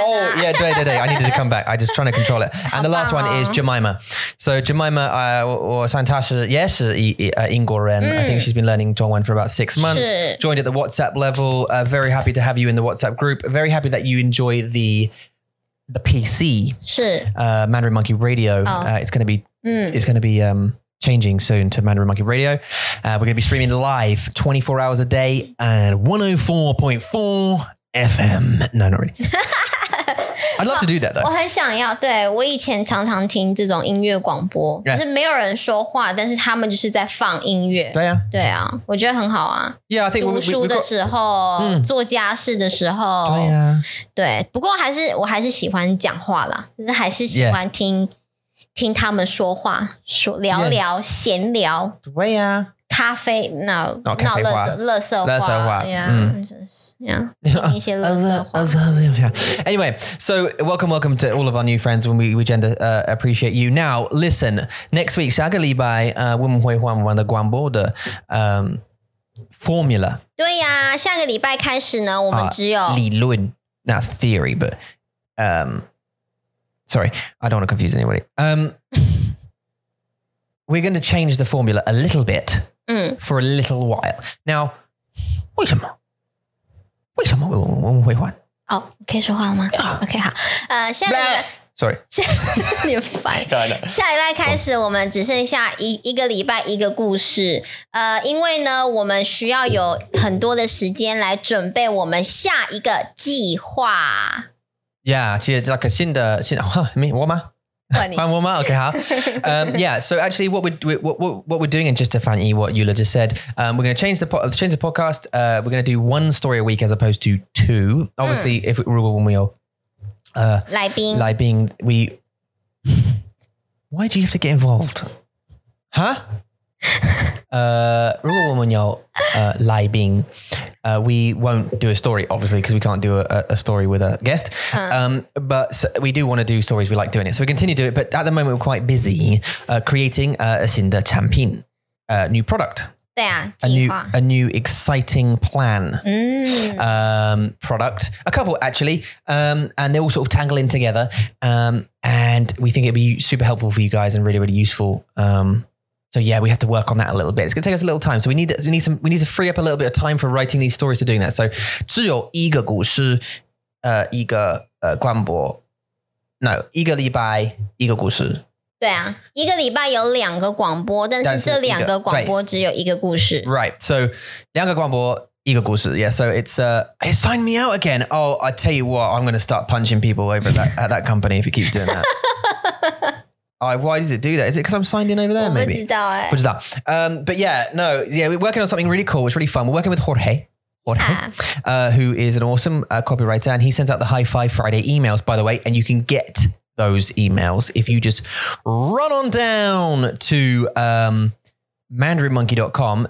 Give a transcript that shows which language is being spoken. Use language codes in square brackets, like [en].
[en] oh yeah [zh] 对对对 [en] I needed to come back I just trying to control it and the last one is Jemima so Jemima [zh] 我算她是也是英国人、 [en] I think she's been learning 中文 for about 6 months joined at the WhatsApp level very happy to have you in the WhatsApp group very happy that you enjoy the PC [zh] 是、 [en] Mandarin Monkey Radio、it's going to be changing soon to Mandarin Monkey Radio. We're going to be streaming live 24 hours a day and 104.4 FM. No, not really. I'd love to do that though. [zh] 我很想要,对,我以前常常听这种音乐广播,就是没有人说话,但是他们就是在放音乐。对啊。对啊,我觉得很好啊。 [en] Yeah, I think [zh] 读书的时候,做家事的时候。对啊。对,不过还是,我还是喜欢讲话啦,就是还是喜欢听。听他们说话，说聊聊闲聊，对呀、咖啡 ，no，那垃圾，垃圾话，垃圾话，呀，真是呀，一些垃圾话。 [en] Anyway, so welcome, welcome to all of our new friends. When we tend to appreciate you. Now, listen, next week, [zh] 下个礼拜，我们会换我们的广播的formula。对呀，下个礼拜开始呢，我们只有 [en] 理论 ，that's theory, but Sorry, I don't want to confuse anybody. we're going to change the formula a little bit for a little while. [zh] Now, 为什么?为什么我们会换? 哦,可以说话了吗?OK, 好。下一拜。 [en] Sorry. [zh] 你很烦。下一拜开始我们只剩下一个礼拜一个故事。因为呢我们需要有很多的时间来准备我们下一个计划。 Yeah, 其实like 新的 [en] huh, me, [zh] 我吗？换我吗 ？OK, 好。 [en] Yeah, so actually, what we're doing, and just to 翻译what Eula just said, we're going to change the podcast. We're going to do one story a week as opposed to two. Obviously, if we rule when we are [zh] 来宾 [en] we. Why do you have to get involved? Huh? [zh] 如果我们有来宾。 [en] We won't do a story, obviously, because we can't do a story with a guest. But we do want to do stories. We like doing it. So we continue to do it. But at the moment, we're quite busy creating a [zh] 新的产品, [en] a new product. [zh] 对啊, 计划。 [en] A new exciting plan product. A couple, actually. And they all sort of tangle in together. And we think it'd be super helpful for you guys and really, really useful. So yeah, we have to work on that a little bit. It's going to take us a little time. So we need to free up a little bit of time for writing these stories to doing that. So [zh] 只有一个故事，一个广播。 No, 一个礼拜一个故事。对啊，一个礼拜有两个广播，但是这两个广播只有一个故事。 [en] Right. [zh] So 两个广播一个故事。 [en] Yeah. So it's signed me out again. Oh, I tell you what, I'm going to start punching people over at that company if you keep doing that. Why does it do that? Is it because I'm signed in over there? Maybe. What is that? But yeah, no. Yeah, we're working on something really cool. It's really fun. We're working with Jorge. Who is an awesome copywriter, and he sends out the High Five Friday emails, by the way, and you can get those emails if you just run on down to mandarinmonkey.com.